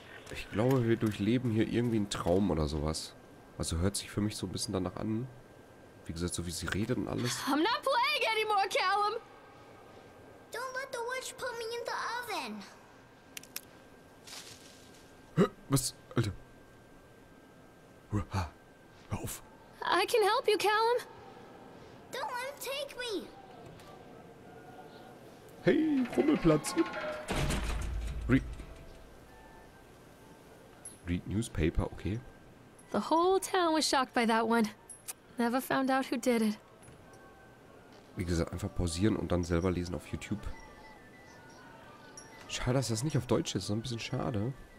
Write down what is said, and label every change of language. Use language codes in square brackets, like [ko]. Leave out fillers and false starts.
[de] Ich glaube, wir durchleben hier irgendwie einen Traum oder sowas. Also hört sich für mich so ein bisschen danach an. Wie gesagt, so wie sie redet und alles. [en] I'm not playing anymore, Callum! Don't let the witch put me in the oven! [de] Was? Alter. Hör auf. [en] I can help you, Callum. Don't let him take me. [de] Hey, Rummelplatz. [en] Read newspaper, okay. The whole town was shocked by that one. Never found out who did it. [de] Wie gesagt, einfach pausieren und dann selber lesen auf YouTube. Schade, dass das nicht auf Deutsch ist. So ein bisschen schade.